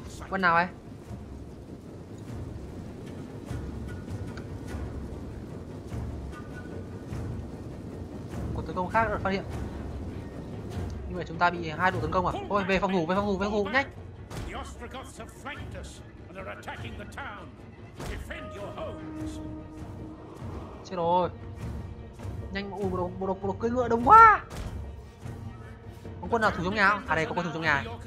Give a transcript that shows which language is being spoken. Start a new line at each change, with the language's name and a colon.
Vietnamese: Quân nào ấy? Một tấn công khác đã phát hiện. Nhưng mà chúng ta bị hai đội tấn công à? Ôi, về phòng ngủ, về phòng ngủ, về phòng ngủ, nhanh.
English: The Ostrogoths have flanked us and are attacking the town. Defend your homes.
Vietnamese: Chết rồi. Nhanh mà ôi, bộ đồ cưỡi ngựa đông quá. Có quân nào thủ trong nhà không? À đây có quân thủ trong nhà.